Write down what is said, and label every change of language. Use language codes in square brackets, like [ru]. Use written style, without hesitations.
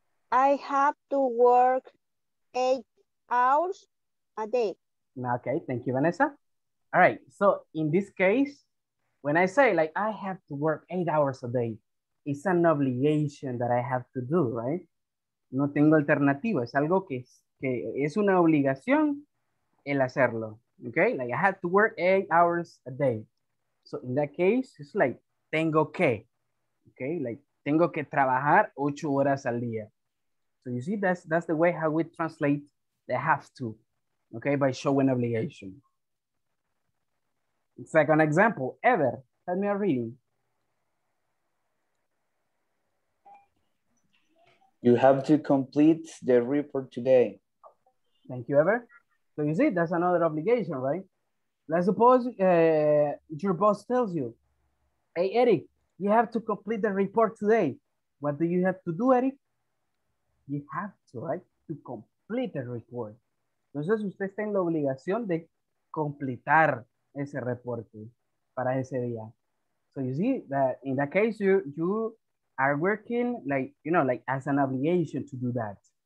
[en] I have to work 8 hours a day. Okay, thank you, Vanessa. All right, so in this case, when I say like, I have to work 8 hours a day, it's an obligation that I have to do, right? [es] No tengo alternativa, es algo que es una obligación el hacerlo, okay? [en] Like I have to work 8 hours a day. So in that case, it's like, [es] tengo que, [en] okay? Like, [es] tengo que trabajar 8 horas al día. [en] So you see, that's the way how we translate the have to, okay? By showing obligation. Second example, ever, tell me a reading. You have to complete the report today. Thank you, ever. So you see, that's another obligation, right? Let's suppose your boss tells you, hey, Eric, you have to complete the report today. What do you have to do, Eric? You have to, right? To complete the report. [es] Entonces, usted está en la obligación de completar ese reporte para ese día. [en] So you see that in that case, you are working like, you know, like as an obligation to do that.